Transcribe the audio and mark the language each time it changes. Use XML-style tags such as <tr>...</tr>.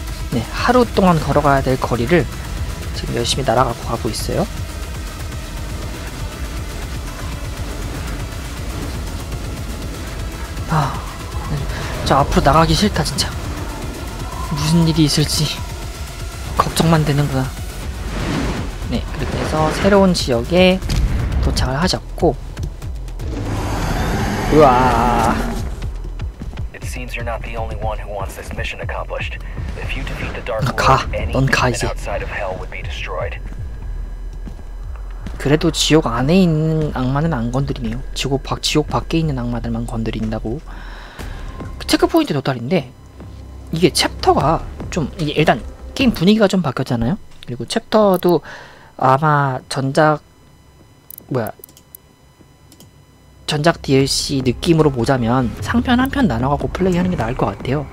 <ko>네 하루 동안 걸어가야 될 거리를 지금 열심히 날아가고 가고 있어요. 아, 저 앞으로 나가기 싫다 진짜. 무슨 일이 있을지 걱정만 되는구나. 네 그렇게 해서 새로운 지역에 도착을 하셨고 우와</ko> <en>It seems you're not the only one who wants this mission accomplished. If you defeat the dark lord, anything outside of hell would be destroyed.</en> <ko>그래도 지옥 안에 있는 악마는 안 건드리네요. 지옥 밖에 있는 악마들만 건드린다고. 체크포인트 도달인데 이게 챕터가 좀 이게 일단 게임 분위기가 좀 바뀌었잖아요. 그리고 챕터도 아마 전작 DLC 느낌으로 보자면 상편 한편 나눠갖고 플레이하는 게 나을 것 같아요.</ko>